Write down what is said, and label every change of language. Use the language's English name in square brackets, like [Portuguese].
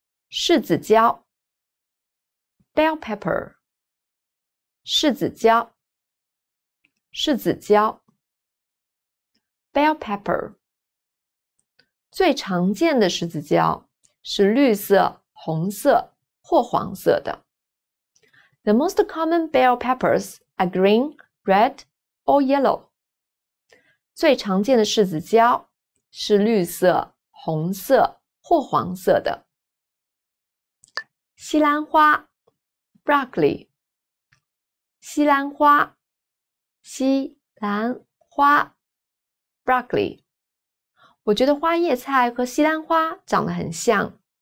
[Chinese] 柿子椒 , [English] bell pepper. [Chinese] 柿子椒柿子椒。 [English] bell pepper. [Chinese] 最常见的十字椒是绿色、红色或黄色的。 [English] The most common bell peppers are green, red, or yellow. [Chinese] 最常见的十字椒是绿色、红色或黄色的。西兰花 [English] broccoli [Chinese] 西兰花西兰花 broccoli 我觉得花叶菜和西兰花长得很像。